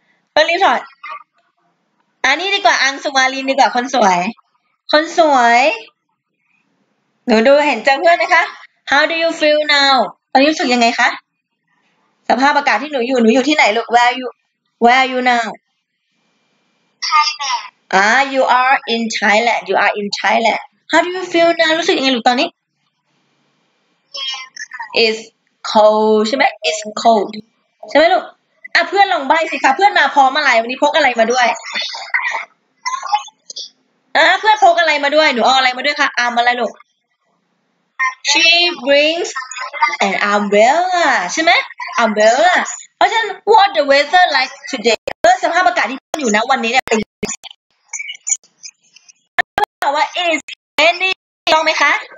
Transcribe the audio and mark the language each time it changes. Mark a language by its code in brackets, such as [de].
[th] เพื่อนรีบถอดอันนี้ดีกว่าอังสุมาลินดีกว่าคนสวยคนสวยหนูดูเห็นเจ้าเพื่อนไหมคะ [en] How do you feel now [th] ตอนนี้รู้สึกยังไงคะสภาพอากาศที่หนูอยู่ที่ไหนลูก [en] where are you now Thailand you are in Thailand you are in Thailand how do you feel now [th] รู้สึกยังไงลูกตอนนี้ [en] it's cold [th] ใช่ไหม it's cold ใช่ไหมลูกเพื่อนลองใบ้สิคะเพื่อนมาพร้อมอะไรวันนี้พกอะไรมาด้วยเพื่อนพกอะไรมาด้วยหนูเอาอะไรมาด้วยคะอาร์มอะไรลูก [en] She brings an umbrella [th] ใช่ไหม umbrella เพราะฉะนั้น [en] what the weather like today [th] สภาพอากาศที่พูดอยู่นะวันนี้เนี่ยเป็นต้องบอกว่า [en] is rainy [th] ต้องไหมคะ